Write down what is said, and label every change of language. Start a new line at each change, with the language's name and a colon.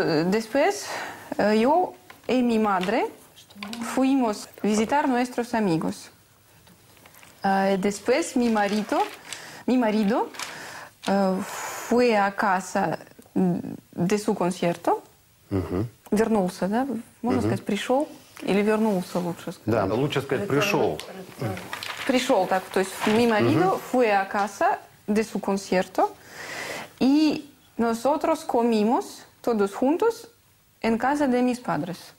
Spanish: Después yo y mi madre fuimos a visitar nuestros amigos. Después mi marido fue a casa de su concierto. Uh-huh.
Russian: Вернулся, да? Можно сказать, пришел или вернулся, лучше сказать. Да, лучше сказать, пришел. Пришел, так. То есть
Spanish: mi marido fue a casa de su concierto y nosotros comimos todos juntos en casa de mis padres.